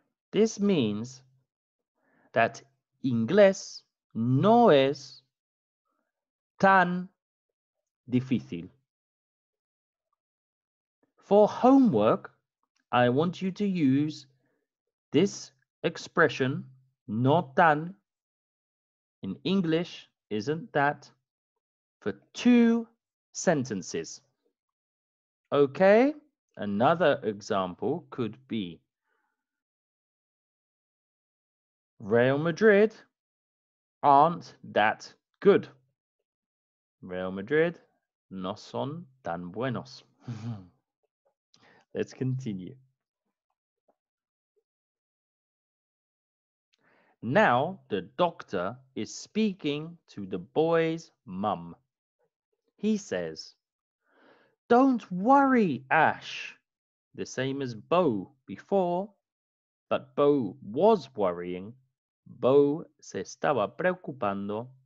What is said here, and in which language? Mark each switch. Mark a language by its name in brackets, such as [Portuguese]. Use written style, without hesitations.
[English] This means that [Spanish] inglés no es tan difícil. [English] For homework, I want you to use this expression, no tan, in English, isn't that, for two sentences. Okay, another example could be Real Madrid aren't that good. [Spanish] Real Madrid no son tan buenos. [English] Let's continue. Now the doctor is speaking to the boy's mum. He says, "Don't worry, Ash." The same as Bo before, but Bo was worrying. [Spanish] Bo se estaba preocupando.